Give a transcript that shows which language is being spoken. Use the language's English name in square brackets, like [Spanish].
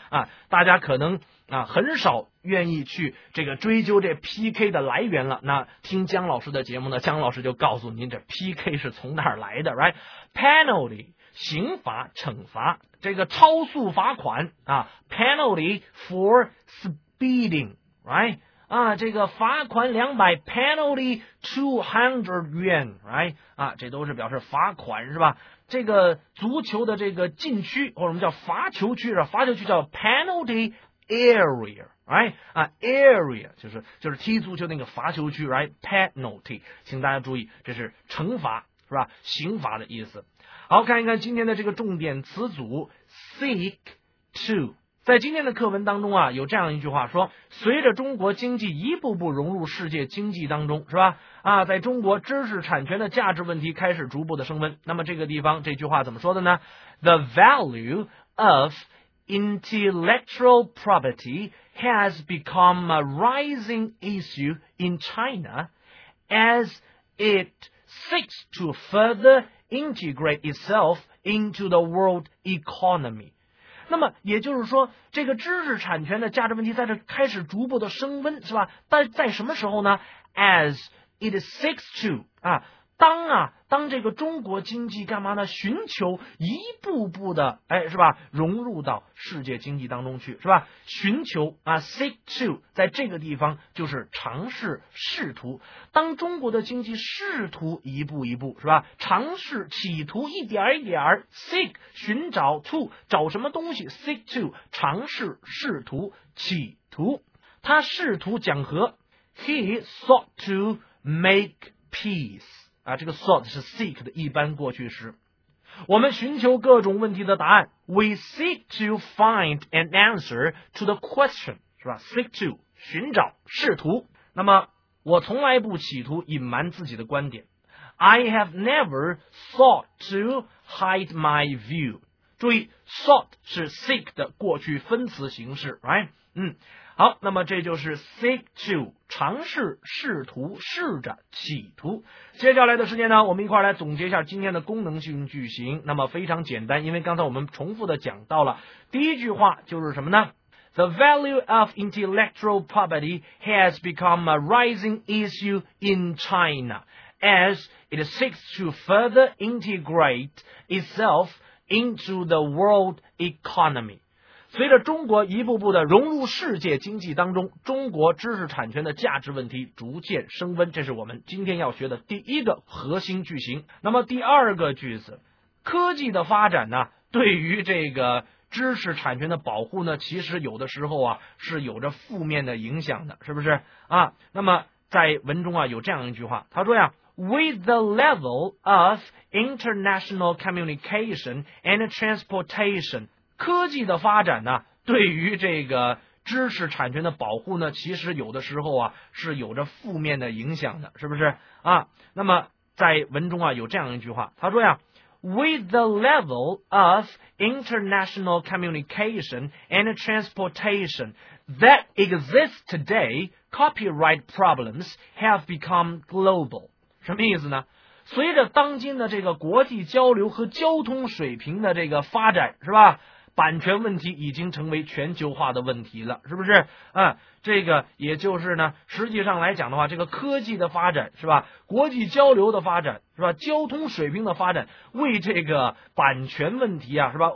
[Chinese] 啊，大家可能啊很少愿意去这个追究这 PK 的来源了。那听姜老师的节目呢，姜老师就告诉您这 PK 是从哪儿来的 ，right？ Penalty 刑罚惩罚，这个超速罚款啊 ， [English] penalty for speeding， [Chinese] right？啊，这个罚款200 ， [English] penalty 200 yuan， [Chinese] right？啊，这都是表示罚款是吧？这个足球的这个禁区或者我们叫罚球区是吧？罚球区叫 penalty area， right？啊 ，area 就是踢足球那个罚球区 ，right？ penalty， 请大家注意，这是惩罚。是吧？刑罚的意思。好，看一看今天的这个重点词组 seek to。在今天的课文当中啊，有这样一句话说：随着中国经济一步步融入世界经济当中，是吧？啊，在中国知识产权的价值问题开始逐步的升温。那么这个地方这句话怎么说的呢 [English] ？The value of intellectual property has become a rising issue in China as it seeks to further integrate itself into the world economy. [Chinese] 那么也就是说，这个知识产权的价值问题在这开始逐步的升温，是吧？但在什么时候呢 ？ [English] As it seeks to [Chinese] 啊，当这个中国经济干嘛呢？寻求一步步的，哎，是吧？融入到世界经济当中去，是吧？寻求啊 ，seek to， 在这个地方就是尝试、试图。当中国的经济试图一步一步，是吧？尝试、企图一点一点 ，seek 寻找 to 找什么东西 ？seek to 尝试、试图、企图。他试图讲和 [English] ，He sought to make peace。 [Chinese] 啊，这个 sought 是 seek 的一般过去时。我们寻求各种问题的答案 [English] ，we seek to find an answer to the question， [Chinese] 是吧 [English] ？seek to [Chinese] 寻找试图。那么我从来不企图隐瞒自己的观点。 [English] I have never sought to hide my view. [Chinese] 注意 ,sought 是 seek 的过去分词形式 ,right? 嗯，好，那么这就是 seek to, 尝试、试图、试着、企图。接下来的时间呢，我们一块来总结一下今天的功能性句型。那么非常简单，因为刚才我们重复的讲到了，第一句话就是什么呢？ [English] The value of intellectual property has become a rising issue in China as it seeks to further integrate itself into the world economy. [Chinese] 随着中国一步步的融入世界经济当中，中国知识产权的价值问题逐渐升温，这是我们今天要学的第一个核心句型。那么第二个句子，科技的发展呢，对于这个知识产权的保护呢，其实有的时候啊是有着负面的影响的，是不是啊？那么在文中啊有这样一句话，他说呀 ， [English] With the level of international communication and transportation， [Chinese] 科技的发展呢，对于这个知识产权的保护呢，其实有的时候啊是有着负面的影响的，是不是啊？那么在文中啊有这样一句话，他说呀。 [English] With the level of international communication and transportation that exists today, copyright problems have become global. [Chinese] 什么意思呢？随着当今的这个国际交流和交通水平的这个发展，是吧？版权问题已经成为全球化的问题了，是不是？啊，这个也就是呢，实际上来讲的话，这个科技的发展，是吧？国际交流的发展，是吧？交通水平的发展，为这个版权问题啊，是吧？